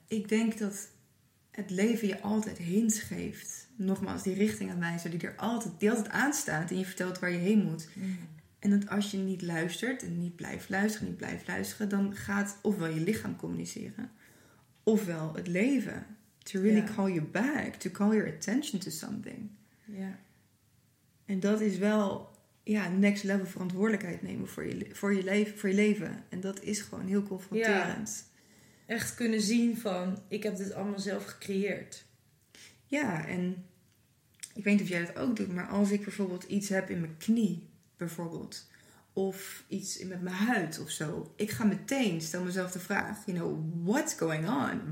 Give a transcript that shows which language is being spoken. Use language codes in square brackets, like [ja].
[nl] Ik denk dat het leven je altijd hints geeft. Nogmaals, die richtingaanwijzer die altijd aanstaat en je vertelt waar je heen moet. Mm. En dat als je niet luistert en niet blijft luisteren, dan gaat ofwel je lichaam communiceren, ofwel het leven. [en] To really call you back, to call your attention to something. [nl] Ja. En dat is wel next level verantwoordelijkheid nemen voor je leven. En dat is gewoon heel confronterend. Ja. Echt kunnen zien van, ik heb dit allemaal zelf gecreëerd. Ja, en ik weet niet of jij dat ook doet, maar als ik bijvoorbeeld iets heb in mijn knie, bijvoorbeeld, of iets met mijn huid of zo, ik ga meteen, stel mezelf de vraag, [en] you know, what's going on?